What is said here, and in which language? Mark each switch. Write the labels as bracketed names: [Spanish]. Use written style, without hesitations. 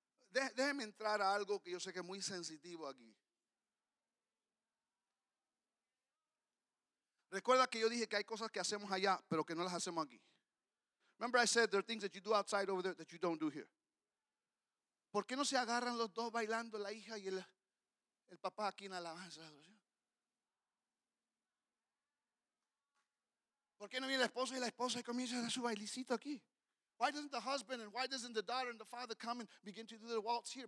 [Spanish] Déjeme entrar a algo que yo sé que es muy sensitivo aquí. Recuerda que yo dije que hay cosas que hacemos allá, pero que no las hacemos aquí. [English] Remember I said there are things that you do outside over there that you don't do here. [Spanish] ¿Por qué no se agarran los dos bailando la hija y el papá aquí en alabanza? ¿Por qué no viene el esposo y la esposa y comienza a dar su bailecito aquí? [English] Why doesn't the husband and why doesn't the daughter and the father come and begin to do the waltz here?